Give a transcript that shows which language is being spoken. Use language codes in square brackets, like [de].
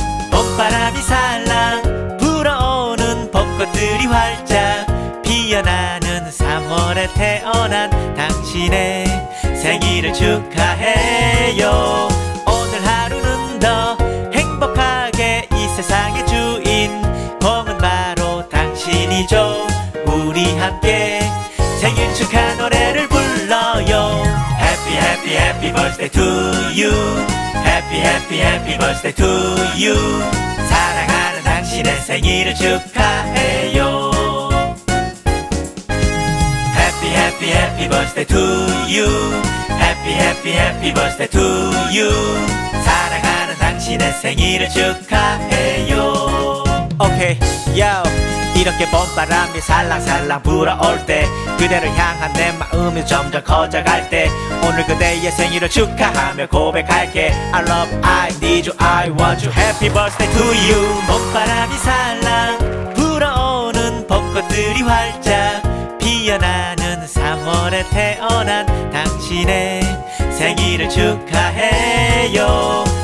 [ko] 봄바람이 살랑 불어오는 벚꽃들이 활짝 피어나는 3월에 태어난 당신의 생일을 축하해요. 오늘 하루는 더 행복하게 이 세상의 주인공은 바로 당신이죠. 우리 함께 생일 축하 노래를 불러요. [en] Happy happy happy birthday to you. Happy happy happy birthday to you. [ko] 사랑하는 당신의 생일을 축하해요. [en] Happy happy happy birthday to you. Happy happy happy birthday to you. [ko] 사랑하는 당신의 생일을 축하해요. [en] Okay, yo. [ko] 이렇게 봄바람이 살랑살랑 불어올 때 그대를 향한 내 마음이 점점 커져갈 때 오늘 그대의 생일을 축하하며 고백할게. [en] I love you, I need you, I want you. Happy birthday to you. [ko] 봄바람이 살랑 불어오는 벚꽃들이 활짝 피어나는 3월에 태어난 당신의 생일을 축하해요.